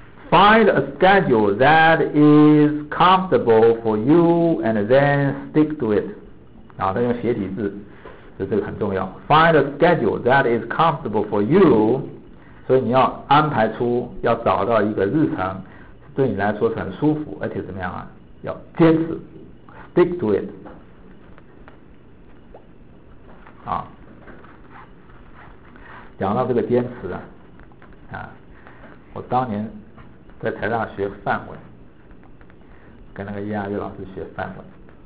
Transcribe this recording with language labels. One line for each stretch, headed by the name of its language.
English: Find a schedule that is comfortable for you and then stick to it.
Chinese: 啊，这用斜体字，这个很重要。
English: Find a schedule that is comfortable for you.
Chinese: 所以你要安排出，要找到一个日程，对你来说很舒服，而且怎么样啊？要坚持 ，
English: stick to it.
Chinese: 啊，讲到这个坚持啊，啊，我当年在台大学范文，跟那个叶亚月老师学范文。